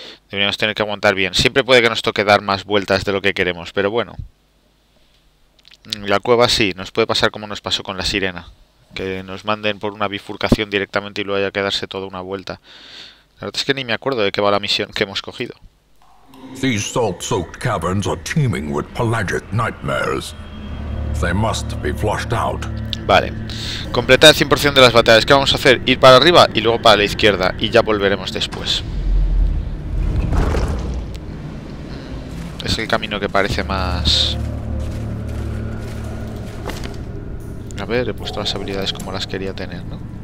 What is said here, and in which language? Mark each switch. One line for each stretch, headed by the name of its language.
Spanish: Deberíamos tener que aguantar bien. Siempre puede que nos toque dar más vueltas de lo que queremos, pero bueno. La cueva sí, nos puede pasar como nos pasó con la sirena. que nos manden por una bifurcación directamente y luego haya que darse toda una vuelta. La verdad es que ni me acuerdo de qué va la misión que hemos cogido.
English: These salt-soaked caverns are teeming with pelagic nightmares. They must be flushed out.
Spanish: Vale, completar el 100% de las batallas. ¿Qué vamos a hacer? Ir para arriba y luego para la izquierda y ya volveremos después. Es el camino que parece más... A ver, he puesto las habilidades como las quería tener, ¿no?